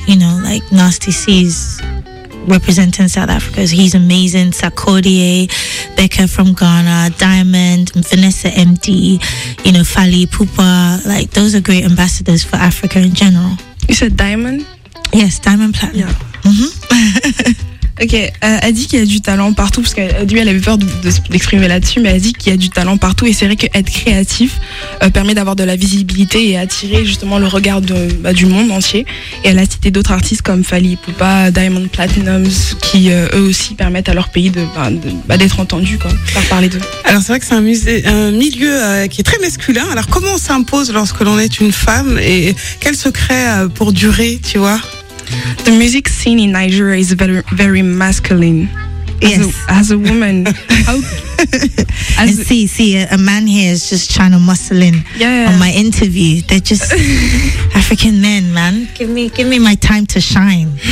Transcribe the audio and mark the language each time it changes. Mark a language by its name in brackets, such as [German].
[English] You know, like Nasty C's representing South Africa. So he's amazing. Sakodie, Becca from Ghana, Diamond, Vanessa MD, you know, Fally, Pupa. Like, those are great ambassadors for Africa in general. You said Diamond? Yes, Diamond Platinum. Yeah. Mm-hmm. [French] Ok, elle dit qu'il y a du talent partout, parce qu'elle avait peur de s'exprimer là-dessus, mais elle dit qu'il y a du talent partout, et c'est vrai qu'être créatif permet d'avoir de la visibilité et attirer justement le regard de, bah, du monde entier. Et elle a cité d'autres artistes comme Fally Ipupa, Diamond Platinums, qui eux aussi permettent à leur pays de, bah, de, bah, d'être entendus, quoi, par parler d'eux. Alors c'est vrai que c'est un milieu qui est très masculin, alors comment on s'impose lorsque l'on est une femme, et quel secret pour durer, tu vois? [English] The music scene in Nigeria is very, very masculine. Yes. As a woman. And see, a man here is just trying to muscle in on my interview. They're just African men, man. Give me my time to shine.